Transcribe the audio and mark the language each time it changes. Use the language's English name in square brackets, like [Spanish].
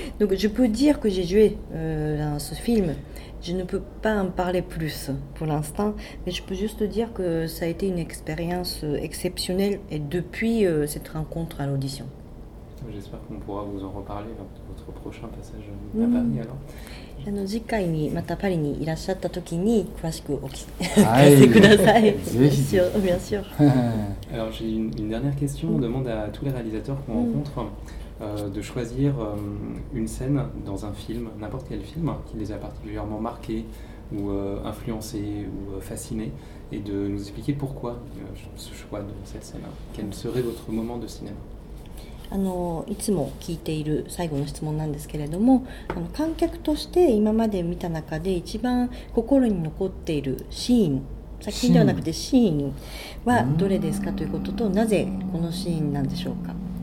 [French] Donc je peux dire que j'ai joué dans ce film. Je ne peux pas en parler plus pour l'instant. Mais je peux juste dire que ça a été une expérience exceptionnelle et depuis cette rencontre à l'audition. J'espère qu'on pourra vous en reparler lors de votre prochain passage à Paris alors. [Japanese] 次回にまたパリにいらっしゃった時に詳しくお聞かせください。 [French] Bien sûr. Alors j'ai une dernière question. On demande à tous les réalisateurs qu'on rencontre de choisir une scène dans un film, n'importe quel film, qui les a particulièrement marqués ou influencés ou fascinés, et de nous expliquer pourquoi ce choix de cette scène. Quel serait votre moment de cinéma ? [Japanese] いつも聞いている最後の質問なんですけれども、観客として今まで見た中で一番心に残っているシーン、作品ではなくてシーンはどれですかということと、なぜこのシーンなんでしょうか。